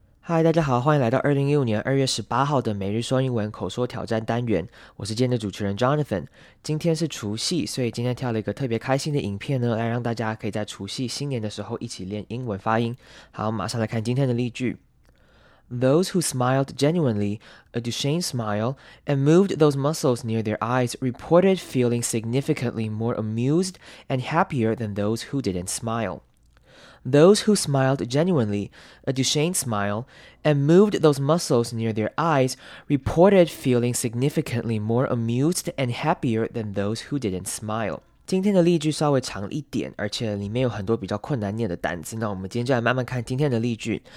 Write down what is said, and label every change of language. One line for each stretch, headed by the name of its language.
Chinese: 嗨，大家好，欢迎来到2016年2月18号的每日说英文口说挑战单元。我是今天的主持人 Jonathan。今天是除夕，所以今天挑了一个特别开心的影片呢，来让大家可以在除夕新年的时候一起练英文发音。好，马上来看今天的例句。
English: Those who smiled genuinely, a Duchenne smile, and moved those muscles near their eyes reported feeling significantly more amused and happier than those who didn't smile. Those who smiled genuinely, a Duchenne smile, and moved those muscles near their eyes reported feeling significantly more amused and happier than those who didn't smile.
Chinese: 今天的例句稍微长一点，而且里面有很多比较困难念的单字，那我们今天就来慢慢看今天的例句。